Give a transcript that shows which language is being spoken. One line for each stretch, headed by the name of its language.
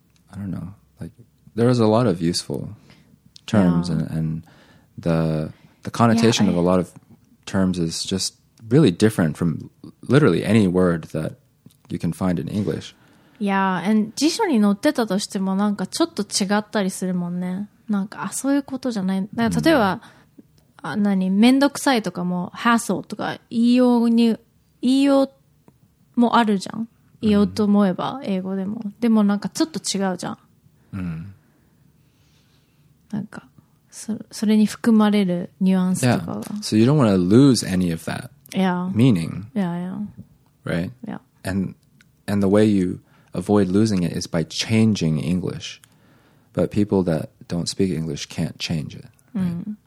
English: I don't know. Like, there is a lot of useful terms and the connotation of a lot of terms is just really different from literally any word that you can find in English. Yeah, and
Japanese: 辞書に載ってたとしてもなんかちょっと違ったりするもんね。なんかそういうことじゃない。なんか例えば、何、めんどくさいとかも hassle とか言いようもあるじゃん。言おうと思えば英語でも、うん、でもなんかちょっと違うじゃん、うん、なんか それに含まれるニュアンスとかが、 yeah.
English: So you don't want to lose any of that、 yeah. meaning yeah, yeah. Right? Yeah. And the way you avoid losing it is by changing English. But people that don't speak English can't change it、right?